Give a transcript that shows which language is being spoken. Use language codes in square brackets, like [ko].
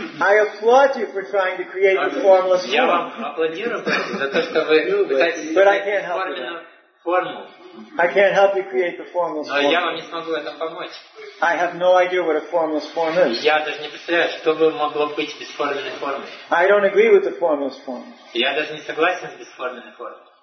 [en] I applaud you for trying to create the formless form. [ru] Я вам аплодирую за то, что вы пытаетесь создать форму. [en] I can't help you create the formless [ru] form. Но я вам не смогу в этом помочь. [en] I have no idea what a formless form is. [ru] Я даже не представляю, что бы могло быть бесформенной формой. [en] I don't agree with the formless form. [ru] Я даже не согласен с бесформенной формой.